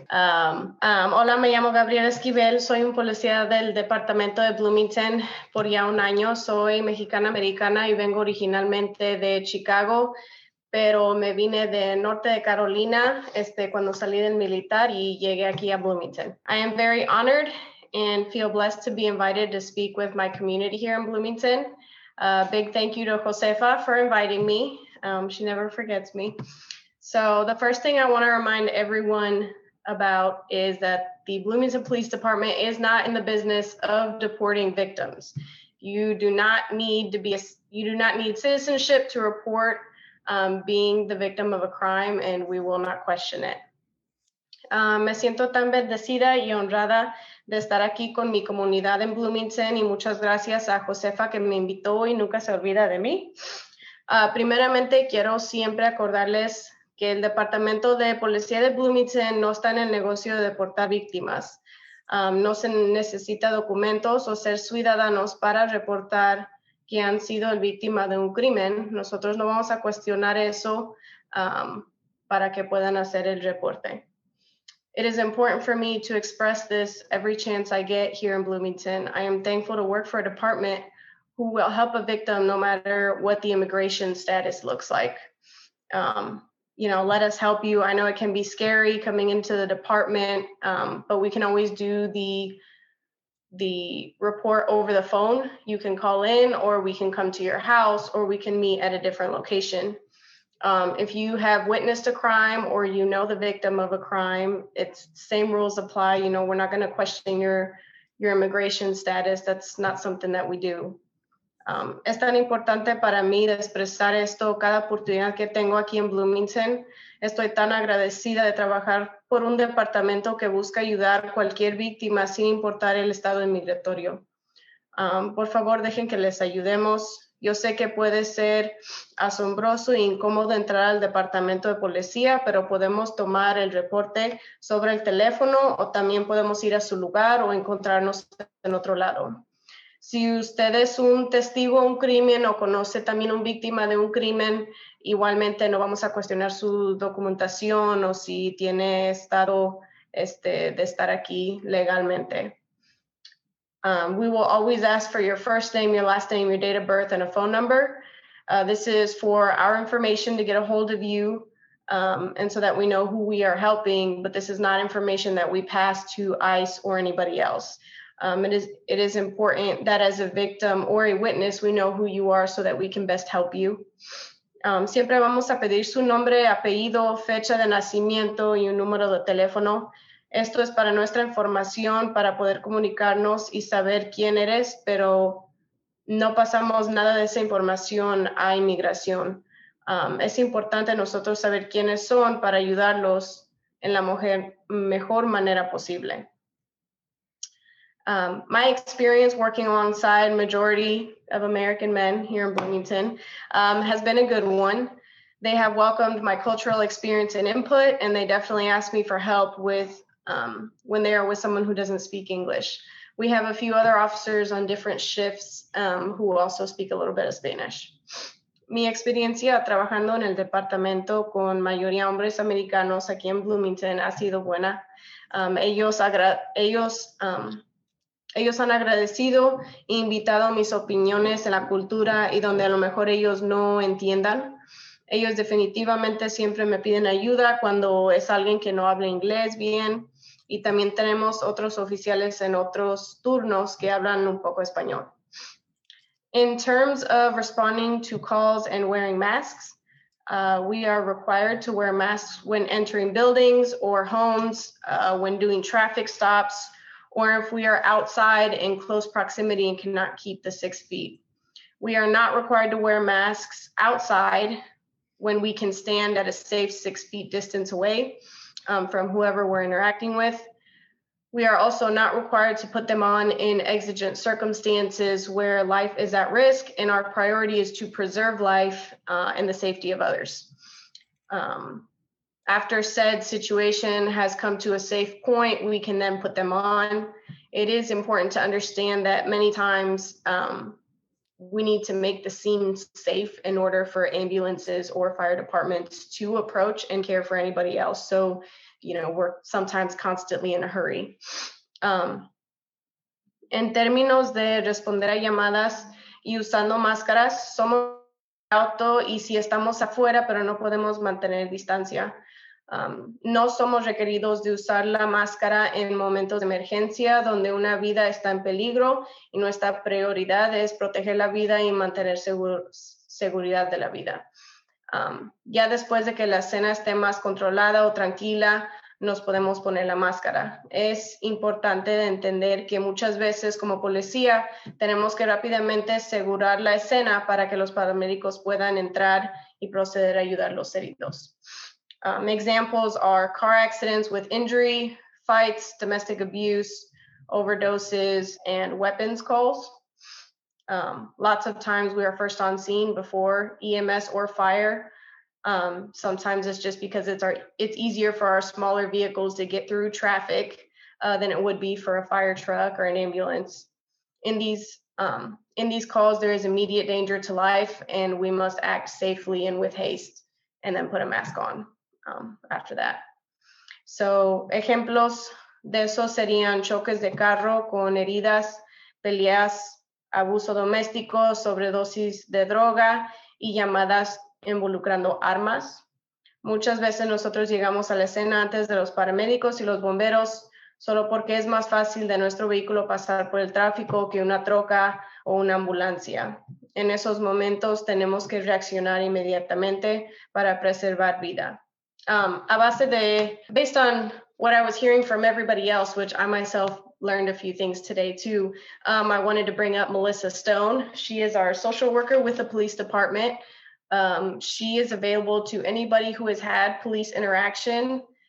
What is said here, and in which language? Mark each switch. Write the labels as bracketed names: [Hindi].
[Spanish] Hola, me llamo Gabriela Esquivel. Soy un policía del Departamento de Bloomington por ya un año. Soy mexicana-americana y vengo originalmente de Chicago. Pero me vine de Norte de Carolina cuando salí del militar y llegué aquí a Bloomington. [English] I am very honored and feel blessed to be invited to speak with my community here in Bloomington. A big thank you to Josefa for inviting me. She never forgets me. So the first thing I want to remind everyone about is that the Bloomington Police Department is not in the business of deporting victims. You do not need citizenship to report being the victim of a crime, and we will not question it. [Spanish] Me siento tan bendecida y honrada de estar aquí con mi comunidad en Bloomington, y muchas gracias a Josefa que me invitó y nunca se olvida de mí. Primeramente, quiero siempre acordarles que el Departamento de Policía de Bloomington no está en el negocio de deportar víctimas. No se necesita documentos o ser ciudadanos para reportar que han sido el víctima de un crimen. Nosotros no vamos a cuestionar eso para que puedan hacer el reporte. [English] It is important for me to express this every chance I get here in Bloomington. I am thankful to work for a department who will help a victim no matter what the immigration status looks like. You know, let us help you. I know it can be scary coming into the department, but we can always do the report over the phone. You can call in, or we can come to your house, or we can meet at a different location. If you have witnessed a crime or you know the victim of a crime, it's same rules apply. You know, we're not gonna question your immigration status. That's not something that we do. [Spanish] Es tan importante para mí de expresar esto cada oportunidad que tengo aquí en Bloomington. Estoy tan agradecida de trabajar por un departamento que busca ayudar a cualquier víctima sin importar el estado inmigratorio. Por favor, dejen que les ayudemos. Yo sé que puede ser asombroso e incómodo entrar al departamento de policía, pero podemos tomar el reporte sobre el teléfono o también podemos ir a su lugar o encontrarnos en otro lado. Si usted es un testigo de un crimen o conoce también a una víctima de un crimen, igualmente no vamos a cuestionar su documentación o si tiene estado de estar aquí legalmente. [English] We will always ask for your first name, your last name, your date of birth, and a phone number. This is for our information to get a hold of you and so that we know who we are helping, but this is not information that we pass to ICE or anybody else. It is important that as a victim or a witness, we know who you are so that we can best help you. [Spanish] Siempre vamos a pedir su nombre, apellido, fecha de nacimiento y un número de teléfono. Esto es para nuestra información, para poder comunicarnos y saber quién eres, pero no pasamos nada de esa información a inmigración. Es importante nosotros saber quiénes son para ayudarlos en la mejor manera posible. [English] My experience working alongside majority of American men here in Bloomington has been a good one. They have welcomed my cultural experience and input, and they definitely ask me for help with when they are with someone who doesn't speak English. We have a few other officers on different shifts who also speak a little bit of Spanish. [Spanish] Mi experiencia trabajando en el departamento con mayoría hombres americanos aquí en Bloomington ha sido buena. Ellos han agradecido e invitado mis opiniones en la cultura y donde a lo mejor ellos no entiendan. Ellos definitivamente siempre me piden ayuda cuando es alguien que no habla inglés bien. Y también tenemos otros oficiales en otros turnos que hablan un poco español. [English] In terms of responding to calls and wearing masks, we are required to wear masks when entering buildings or homes, when doing traffic stops, or if we are outside in close proximity and cannot keep the 6 feet. We are not required to wear masks outside when we can stand at a safe 6 feet distance away from whoever we're interacting with. We are also not required to put them on in exigent circumstances where life is at risk and our priority is to preserve life and the safety of others. After said situation has come to a safe point, we can then put them on. It is important to understand that many times we need to make the scene safe in order for ambulances or fire departments to approach and care for anybody else. So, you know, we're sometimes constantly in a hurry. [Spanish] En términos de responder a llamadas y usando máscaras, somos auto y si estamos afuera, pero no podemos mantener distancia. No somos requeridos de usar la máscara en momentos de emergencia donde una vida está en peligro y nuestra prioridad es proteger la vida y mantener seguridad de la vida. Ya después de que la escena esté más controlada o tranquila, nos podemos poner la máscara. Es importante entender que muchas veces como policía tenemos que rápidamente asegurar la escena para que los paramédicos puedan entrar y proceder a ayudar a los heridos. [English] Examples are car accidents with injury, fights, domestic abuse, overdoses, and weapons calls. Lots of times we are first on scene before EMS or fire. Sometimes it's just because it's easier for our smaller vehicles to get through traffic than it would be for a fire truck or an ambulance. In these calls, there is immediate danger to life, and we must act safely and with haste, and then put a mask on. After that. [Spanish] So, ejemplos de eso serían choques de carro con heridas, peleas, abuso doméstico, sobredosis de droga y llamadas involucrando armas. Muchas veces nosotros llegamos a la escena antes de los paramédicos y los bomberos solo porque es más fácil de nuestro vehículo pasar por el tráfico que una troca o una ambulancia. En esos momentos tenemos que reaccionar inmediatamente para preservar vida. [English] Based on what I was hearing from everybody else, which I myself learned a few things today too, I wanted to bring up Melissa Stone. She is our social worker with the police department. She is available to anybody who has had police interaction.